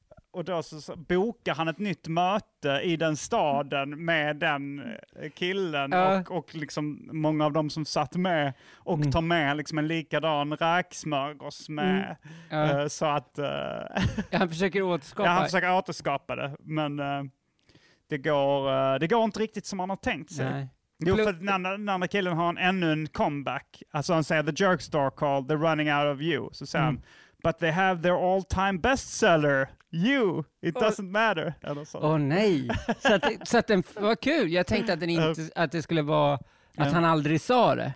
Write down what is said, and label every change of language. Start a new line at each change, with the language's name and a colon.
Swedish: Och då så bokar han ett nytt möte i den staden med den killen och liksom många av dem som satt med och tar med liksom en likadan räksmörgås med. Så att han försöker återskapa det, men det går inte riktigt som han har tänkt sig. Jo, för den andra killen har ännu en comeback. Alltså han säger,
English: the jerk store called, they're running out of you.
Swedish: Så säger han,
English: but they have their all time bestseller, you, it doesn't matter.
Swedish: Åh nej. Så att den var kul. Jag tänkte att den inte, att det skulle vara att han aldrig sa det.